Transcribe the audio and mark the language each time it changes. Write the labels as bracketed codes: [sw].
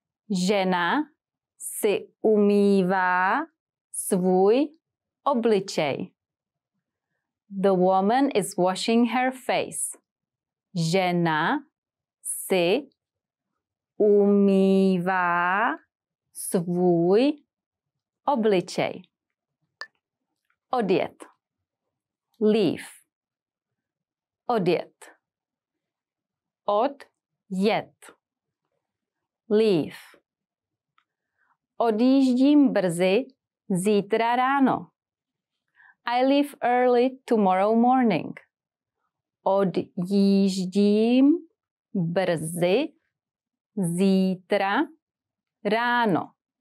[cs] Žena si umývá svůj obličej. [en] The woman is washing her face. [cs] Žena si umývá svůj obličej. Odjet. Leave. Odjet. Odjet. Leave. Odjíždím brzy zítra ráno. [en] I leave early tomorrow morning. [cs] Odjíždím brzy zítra ráno.